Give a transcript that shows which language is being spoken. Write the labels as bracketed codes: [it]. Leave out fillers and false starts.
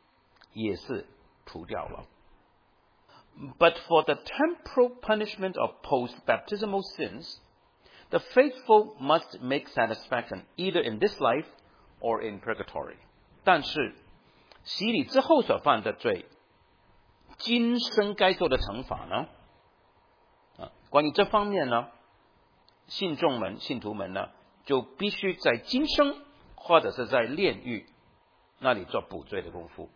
[zh] 那还有将来的，就是说受洗之后所犯的罪，受洗之后所犯的罪呢，永恒的惩罚也是除掉了。 [en] But for the temporal punishment of post-baptismal sins, the faithful must make satisfaction either in this life or in purgatory. [zh] 但是洗礼之后所犯的罪，今生该受的惩罚呢？关于这方面呢，信众们、信徒们呢，就必须在今生或者是在炼狱那里做补罪的功夫。